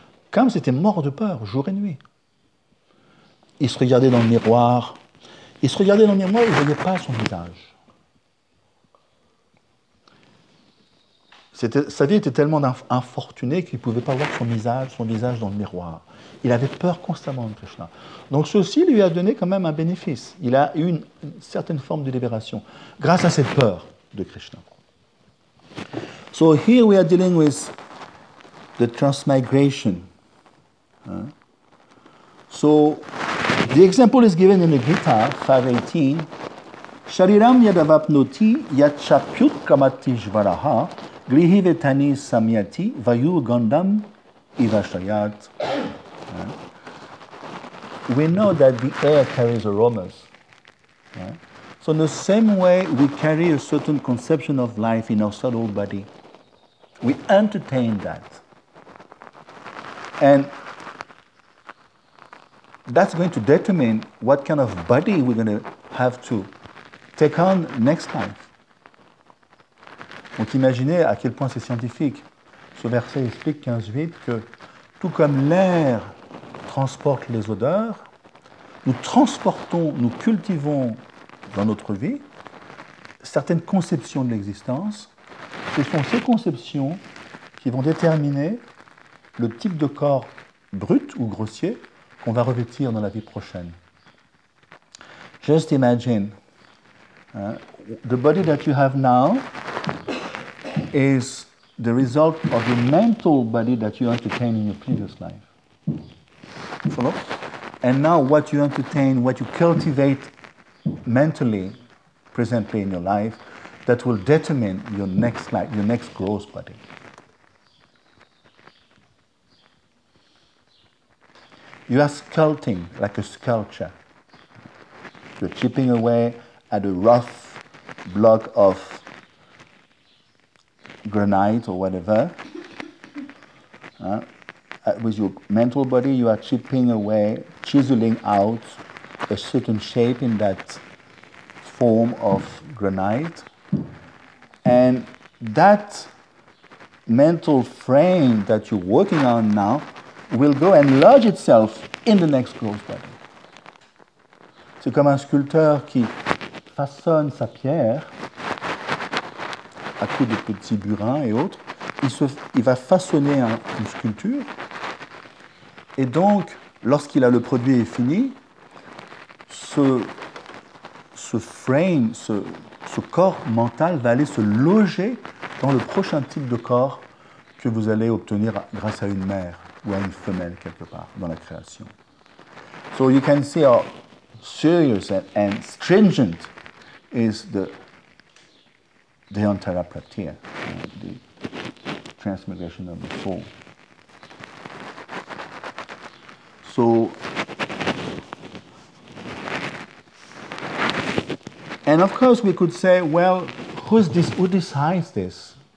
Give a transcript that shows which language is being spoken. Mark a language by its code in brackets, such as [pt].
[fr] Kams était mort de peur, jour et nuit. Il se regardait dans le miroir, il ne voyait pas son visage. Sa vie était tellement infortunée qu'il ne pouvait pas voir son visage dans le miroir. Il avait peur constamment de Krishna. Donc ceci lui a donné quand même un bénéfice. Il a eu une certaine forme de libération grâce à cette peur de Krishna. [en] So here we are dealing with the transmigration. So the example is given in the Gita 5.18. [sa] Shariram yadavapnoti yachapyut kamatishvaraha grihi vetani samyati vayu gandam ivashayat. [en] We know that the air carries aromas. So in the same way we carry a certain conception of life in our subtle body, we entertain that. And that's going to determine what kind of body we're going to have to take on next life. [fr] Donc imaginez à quel point c'est scientifique. Ce verset explique 15:8 que tout comme l'air transporte les odeurs, nous transportons, nous cultivons dans notre vie certaines conceptions de l'existence. Ce sont ces conceptions qui vont déterminer le type de corps brut ou grossier qu'on va revêtir dans la vie prochaine. [en] Just imagine, the body that you have now is the result of the mental body that you entertain in your previous life. Follow? And now what you entertain, what you cultivate mentally, presently in your life, that will determine your next life, your next gross body. You are sculpting like a sculpture. You're chipping away at a rough block of granite or whatever. With your mental body, you are chipping away, chiseling out a certain shape in that form of granite. And that mental frame that you're working on now will go and lodge itself in the next growth body. [fr] C'est comme un sculpteur qui façonne sa pierre à coups de petits burins et autres. Il va façonner une sculpture. Et donc, lorsqu'il a le produit est fini, ce corps mental va aller se loger dans le prochain type de corps que vous allez obtenir grâce à une mère ou à une femelle quelque part dans la création. [en] So you can see how serious and stringent is the deontarapratia, the transmigration of the soul. So, and of course we could say, well, who decides this?